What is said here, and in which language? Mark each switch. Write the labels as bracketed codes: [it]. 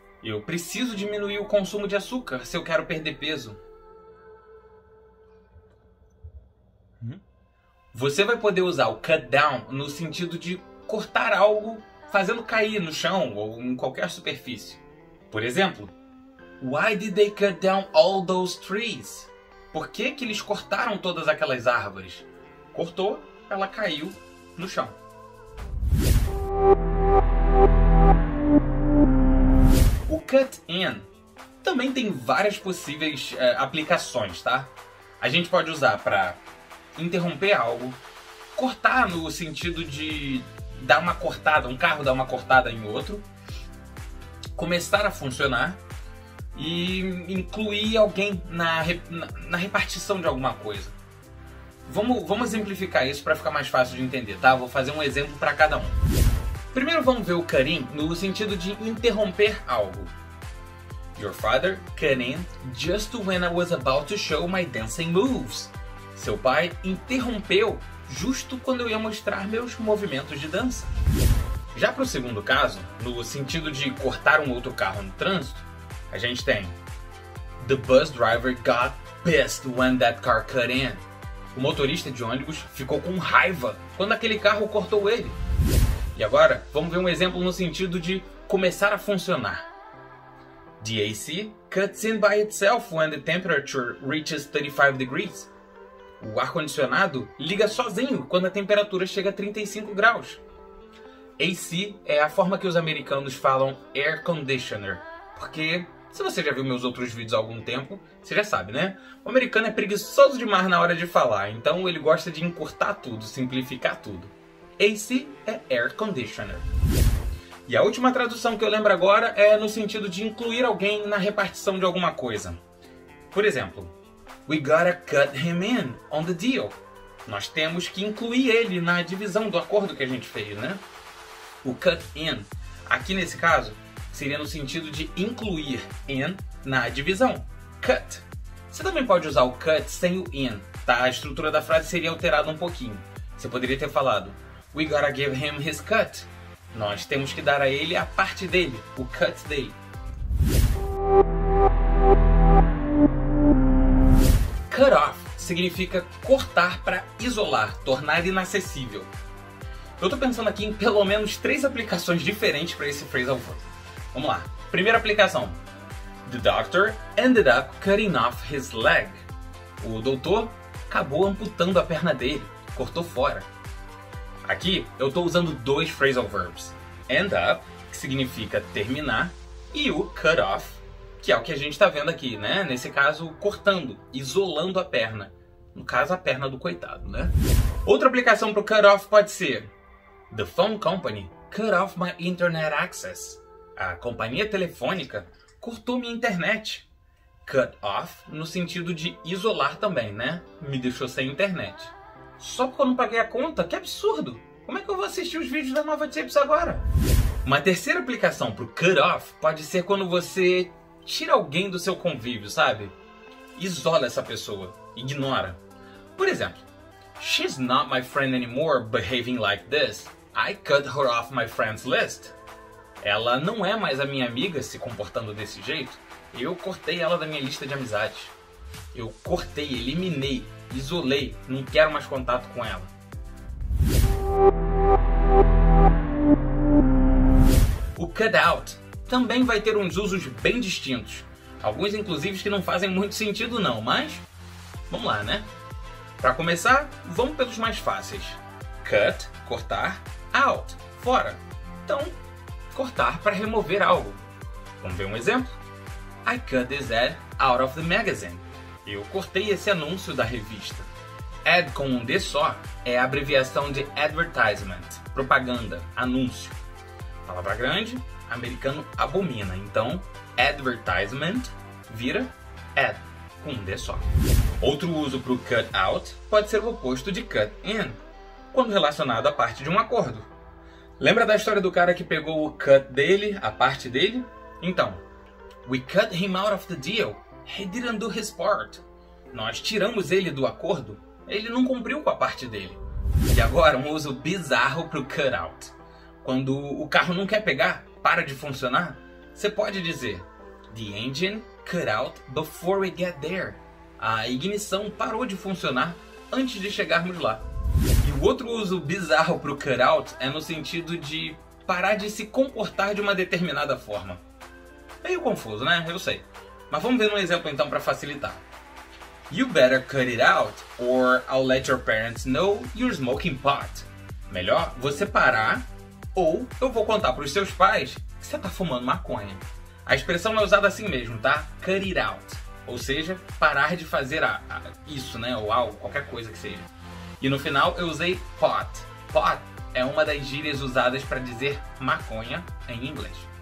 [pt] Eu preciso diminuir o consumo de açúcar se eu quero perder peso. Você vai poder usar o cut down no sentido de cortar algo, fazendo cair no chão ou em qualquer superfície. Por exemplo, [en] why did they cut down all those trees? [pt] Por que que eles cortaram todas aquelas árvores? Cortou, ela caiu no chão. O cut in também tem várias possíveis aplicações, tá? A gente pode usar para interromper algo, cortar no sentido de dar uma cortada, um carro dar uma cortada em outro, começar a funcionar e incluir alguém na repartição de alguma coisa. Vamos exemplificar isso para ficar mais fácil de entender, tá? Vou fazer um exemplo para cada um. Primeiro vamos ver o cut in no sentido de interromper algo. [en] Your father cut in just when I was about to show my dancing moves. [pt] Seu pai interrompeu justo quando eu ia mostrar meus movimentos de dança. Já para o segundo caso, no sentido de cortar um outro carro no trânsito, a gente tem [en] The bus driver got pissed when that car cut in. [pt] O motorista de ônibus ficou com raiva quando aquele carro cortou ele. E agora, vamos ver um exemplo no sentido de começar a funcionar. [en] The AC cuts in by itself when the temperature reaches 35 degrees. [pt] O ar-condicionado liga sozinho quando a temperatura chega a 35 graus. AC é a forma que os americanos falam air conditioner, porque se você já viu meus outros vídeos há algum tempo, você já sabe, né? O americano é preguiçoso demais na hora de falar, então ele gosta de encurtar tudo, simplificar tudo. AC é air conditioner. E a última tradução que eu lembro agora é no sentido de incluir alguém na repartição de alguma coisa. Por exemplo, [en] we gotta cut him in on the deal. [pt] Nós temos que incluir ele na divisão do acordo que a gente fez, né? O cut in, aqui nesse caso, seria no sentido de incluir in na divisão. Cut. Você também pode usar o cut sem o in, tá? A estrutura da frase seria alterada um pouquinho. Você poderia ter falado, [en] we gotta give him his cut. [pt] Nós temos que dar a ele a parte dele, o cut dele. Cut off significa cortar para isolar, tornar inacessível. Eu tô pensando aqui em pelo menos três aplicações diferentes para esse phrasal verb. Vamos lá. Primeira aplicação. [en] The doctor ended up cutting off his leg. [pt] O doutor acabou amputando a perna dele, cortou fora. Aqui eu tô usando dois phrasal verbs. End up, que significa terminar, e o cut off, que é o que a gente tá vendo aqui, né? Nesse caso, cortando, isolando a perna. No caso, a perna do coitado, né? Outra aplicação pro cut off pode ser [en] the phone company cut off my internet access. [pt] A companhia telefônica cortou minha internet. Cut off no sentido de isolar também, né? Me deixou sem internet. Só porque eu não paguei a conta? Que absurdo! Como é que eu vou assistir os vídeos da Nova Tips agora? Uma terceira aplicação pro cut off pode ser quando você tira alguém do seu convívio, sabe? Isola essa pessoa. Ignora. Por exemplo, [en] she's not my friend anymore behaving like this. I cut her off my friends list. [pt] Ela não é mais a minha amiga se comportando desse jeito. Eu cortei ela da minha lista de amizade. Eu cortei, eliminei, isolei. Não quero mais contato com ela. O cut out também vai ter uns usos bem distintos. Alguns, inclusive, que não fazem muito sentido não, mas vamos lá, né? Pra começar, vamos pelos mais fáceis. Cut, cortar, out, fora. Então, cortar para remover algo. Vamos ver um exemplo? [en] I cut this ad out of the magazine. [pt] Eu cortei esse anúncio da revista. Ad com um D só é a abreviação de advertisement, propaganda, anúncio. Palavra grande, americano abomina. Então, advertisement vira ad com um D só. Outro uso para o cut out pode ser o oposto de cut in, quando relacionado à parte de um acordo. Lembra da história do cara que pegou o cut dele, a parte dele? Então, [en] we cut him out of the deal. He didn't do his part. [pt] Nós tiramos ele do acordo. Ele não cumpriu com a parte dele. E agora, um uso bizarro para o cut out. Quando o carro não quer pegar, para de funcionar, você pode dizer [en] the engine cut out before we get there. [pt] A ignição parou de funcionar antes de chegarmos lá. E o outro uso bizarro para o cut out é no sentido de parar de se comportar de uma determinada forma. Meio confuso, né? Eu sei. Mas vamos ver um exemplo então para facilitar. [en] You better cut it out or I'll let your parents know you're smoking pot. [pt] Melhor você parar ou eu vou contar para os seus pais que você tá fumando maconha. A expressão é usada assim mesmo, tá? Cut it out. Ou seja, parar de fazer isso, né? Ou algo, qualquer coisa que seja. E no final eu usei pot. Pot é uma das gírias usadas para dizer maconha em inglês.